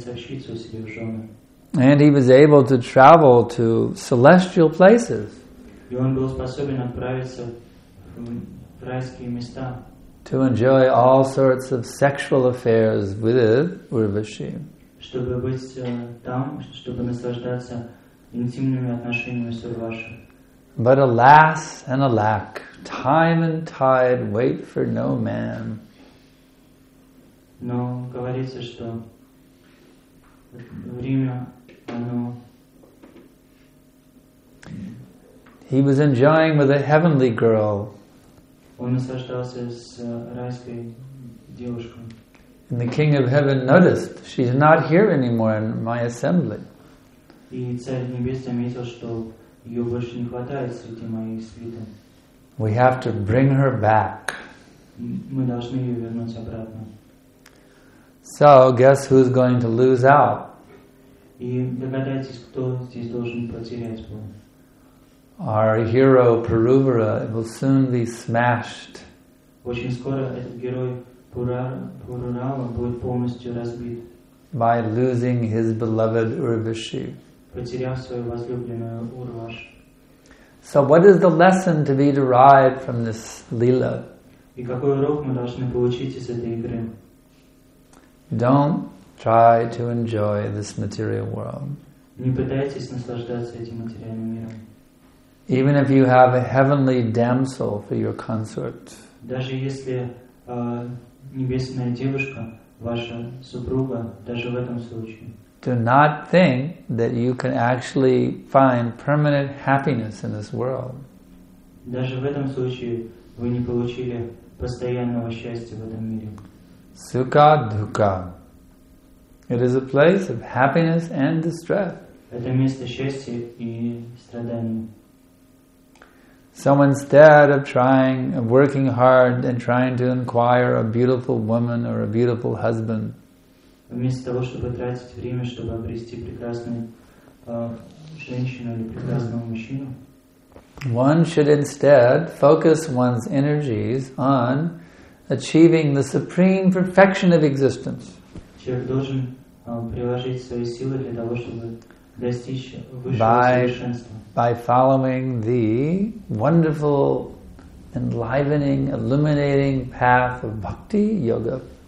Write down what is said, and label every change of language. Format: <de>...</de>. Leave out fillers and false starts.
<en>And he was able to travel to celestial places.</en> <ru>И он был способен отправиться в райские места.</ru> <en>To enjoy all sorts of sexual affairs with Urvashi.</en> <ru>Чтобы быть там, чтобы наслаждаться интимными отношениями с Урваши.</ru> <en>But alas and alack, time and tide wait for no man.</en> <ru>Но говорится, что время, оно...</ru> <en>He was enjoying with a heavenly girl.</en> <ru>Он наслаждался с райской девушкой.</ru> <en>And the King of Heaven noticed, she's not here anymore in my assembly.</en> <ru>И царь небес заметил, что ее больше не хватает среди моих свиты.</ru> <en>We have to bring her back.</en> <ru>Мы должны ее вернуть обратно.</ru> <en>So, guess who's going to lose out?</en> <ru>И догадайтесь, кто здесь должен потерять был.</ru> <en>Our hero Puruvara will soon be smashed.</en> <ru>Очень скоро этот герой Пурурава будет полностью разбит.</ru> <en>By losing his beloved Urvashi.</en> <ru>Потеряв свою возлюбленную Урваш.</ru> <en>So what is the lesson to be derived from this lila?</en> <ru>И какой урок мы должны получить из этой игры?</ru> <en>Don't try to enjoy this material world.</en> <ru>Не пытайтесь наслаждаться этим материальным миром.</ru> <en>Even if you have a heavenly damsel for your consort.</en> <ru>Даже если небесная девушка ваша супруга, даже в этом случае.</ru> <en>Do not think that you can actually find permanent happiness in this world.</en> <ru>Даже в этом случае вы не получили постоянного счастья в этом мире. Сука, дука.</ru> <en>It is a place of happiness and distress.</en> <ru>Это место счастья и страданий.</ru> <en>So instead of trying, of working hard and trying to acquire a beautiful woman or a beautiful husband,</en> <ru>вместо того, чтобы тратить время, чтобы обрести прекрасную женщину или прекрасного мужчину,</ru> <en>one should instead focus one's energies on achieving the supreme perfection of existence.</en> <ru>Человек должен приложить свои силы для того, чтобы достичь высшего совершенства.</ru> <en>By following the wonderful, enlivening, illuminating path of bhakti yoga.</en>